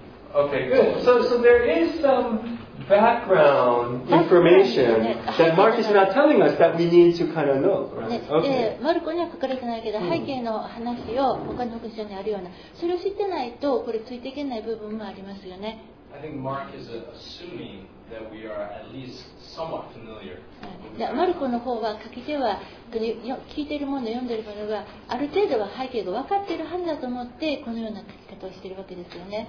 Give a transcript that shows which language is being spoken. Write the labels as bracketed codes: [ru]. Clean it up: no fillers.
[en] So there is some background information that Mark is not telling us that we need to kind of know, right? Okay. [ja] マルコには書かれてないけど背景の話を他の福音書にあるような、それを知ってないとこれついていけない部分もありますよね。 [en] I think Mark is assuming that we are at least somewhat familiar. [ja] マルコの方は書き手は聞いているもの、読んでいるものがある程度は背景が分かっているはずだと思ってこのような書き方をしているわけですよね。